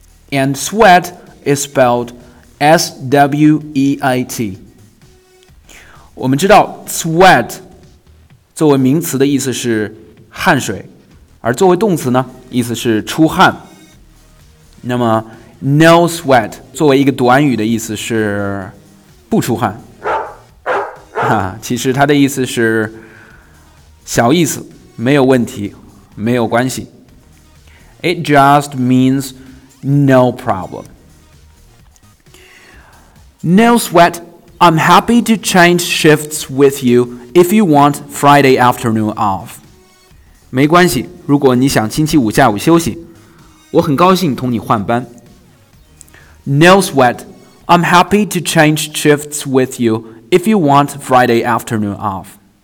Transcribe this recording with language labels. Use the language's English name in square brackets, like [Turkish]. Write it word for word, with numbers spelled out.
[English] And sweat is spelled S W E A T. [Chinese] 我们知道 sweat 作为名词的意思是汗水，而作为动词呢，意思是出汗。那么 no sweat 作为一个短语的意思是不出汗。啊、其实它的意思是小意思，没有问题，没有关系。 [English] It just means no problem. No sweat. I'm happy to change shifts with you if you want Friday afternoon off. [Chinese] 没关系，如果你想星期五下午休息，我很高兴同你换班。 [English] No sweat. I'm happy to change shifts with you. If you want Friday afternoon off.